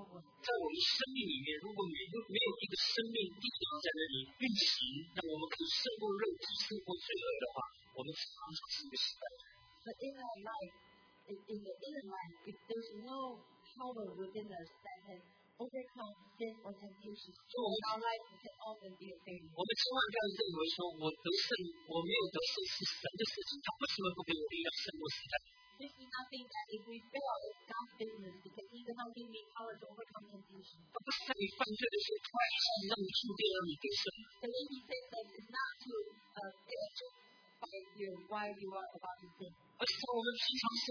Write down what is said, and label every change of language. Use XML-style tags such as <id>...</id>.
<zh>我们生命里面，如果没有一个生命力量在那里运行，那我们可以胜过肉体、胜过罪恶的话，我们常常是一个失败者。</zh> <en>But in our life, in the inner life, if there's no power within us that can overcome sin or temptation, our life can often be a failure.</en> <zh>我们千万不要认为说我得胜，我没有得胜是神的事情，他为什么不给我力量胜过失败？</zh> <en>This is nothing that if we fail, it's God's business because He does not give me power to overcome temptation. So when He says that it's not to by you while you are about to sin.</en>